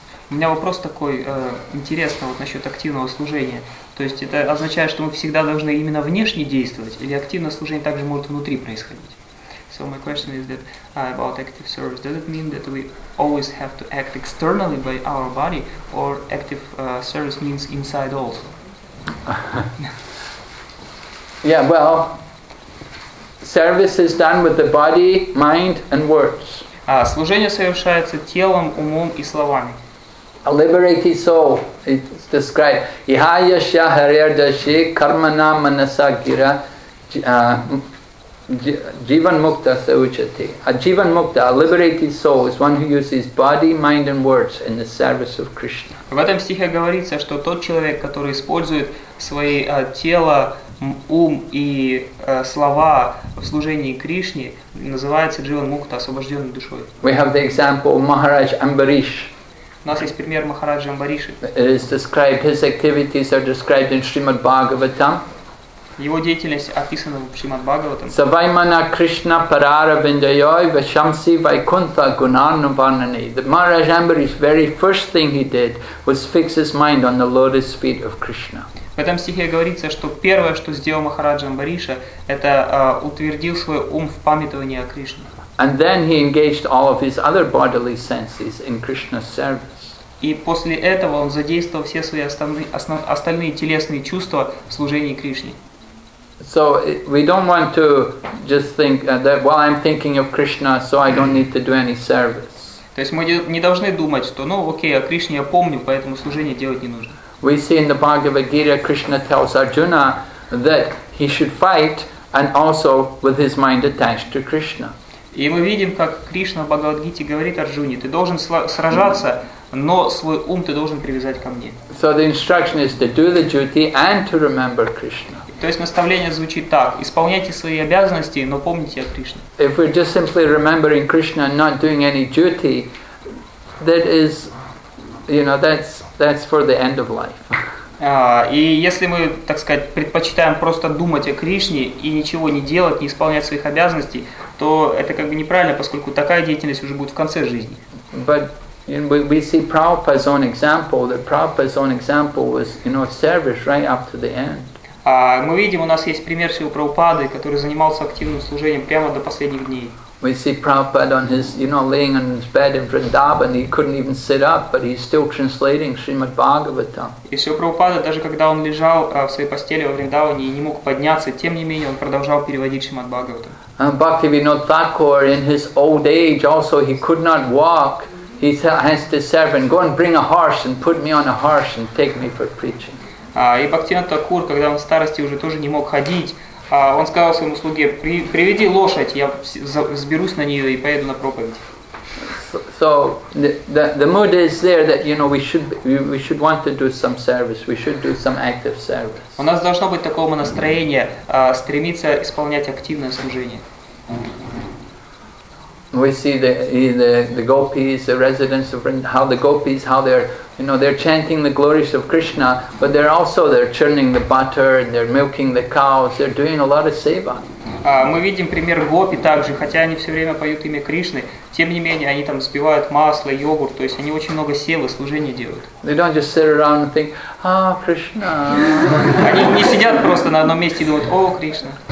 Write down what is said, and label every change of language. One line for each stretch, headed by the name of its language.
Russian: У меня вопрос такой интересный вот насчет активного служения. То есть это означает, что мы всегда должны именно внешне действовать, или активное служение также может внутри происходить?
English: So my question is that about active service. Does it mean that we always have to act externally by our body, or active service means inside also? Yeah, well, service is done with the body, mind, and words.
Russian: Служение совершается телом, умом и словами.
English: A liberated soul, it's described.
Sanskrit: Ihaya sya harer dashi karmana manasa gira jivan mukta se uchati.
English: A jivan mukta, a liberated soul, is one who uses body, mind and words in the service of Krishna.
Russian: В этом стихе говорится, что тот человек, который использует свои тело, ум и слова в служении Кришне, называется Дживан Мукта, освобожденный душой.
English: We have the example of Maharaj Ambarish.
Russian: У нас есть пример Махараджа Амбариши.
English: It is described, his activities are described in Srimad Bhagavatam.
Russian: Его деятельность описана в Шримад Бхагаватам.
Sanskrit: Саваймана Кришна Парара Виндайой Вашамси Вайкунта Гунарна Варнани.
English: The Maharaj Ambarish, very first thing he did was fix his mind on the lotus feet of Krishna.
Russian: В этом стихе говорится, что первое, что сделал Махараджа Амбариша, это утвердил свой ум в памятовании о Кришне.
English: And then he engaged all of his other bodily senses in Krishna's service.
Russian: И после этого он задействовал все свои остальные телесные чувства в служении Кришне.
English: So we don't want to just think that while I'm thinking of Krishna, so I don't need to do any service.
Russian: То есть мы не должны думать, что, ну, окей, о Кришне я помню, поэтому служение делать не нужно.
English: We see in the Bhagavad Gita, Krishna tells Arjuna that he should fight and also with his mind attached to Krishna.
Russian: И мы видим, как Кришна в Бхагавад-гите говорит Арджуне, ты должен сражаться, но свой ум ты должен привязать ко мне.
English: So the instruction is to do the duty and to remember Krishna.
Russian: То есть наставление звучит так, исполняйте свои обязанности, но помните о Кришне.
English: If we're just simply remembering Krishna and not doing any duty, that is, you know, that's for the end of life.
Russian: И если мы, так сказать, предпочитаем просто думать о Кришне и ничего не делать, не исполнять своих обязанностей, то это как бы неправильно, поскольку такая деятельность уже будет в конце жизни.
English: But you know, we see Prabhupada's own example. That Prabhupada's own example was, you know, service right up to the end.
Russian: Мы видим, у нас есть пример Шрилы Прабхупады, который занимался активным служением прямо до последних дней.
English: We see Prabhupada on his, you know, laying on his bed in Vrindavan. He couldn't even sit up, but he's still translating Srimad Bhagavatam.
Russian: И Шрила Прабхупада, даже когда он лежал в своей постели во Вриндаване и не мог подняться, тем не менее он продолжал переводить Шримад Бхагаватам.
English: Bhaktivinoda Thakur, in his old age also, he could not walk. He has to serve and go and bring a horse and put me on a horse and take me for preaching.
Russian: И Бхактивинода Такур, когда он в старости уже тоже не мог ходить, он сказал своему слуге, приведи лошадь, я взберусь на нее и поеду на проповедь.
English: So the mood is there that, you know, we should want to do some service, we should do some active service.
Russian: У нас должно быть такого настроения, стремиться исполнять активное служение.
English: We see the gopis, the residents of Vrindavan, how the gopis, how they're, you know, they're chanting the glories of Krishna, but they're also, they're churning the butter, and they're milking the cows, they're doing a lot of seva.
Russian: Мы видим пример гопи также, хотя они все время поют имя Кришны, тем не менее они там взбивают масло, йогурт, то есть они очень много севы, служения делают.
English: They don't just sit around and think, ah, Krishna.
Russian: Они не сидят просто на одном месте и думают, о, Кришна.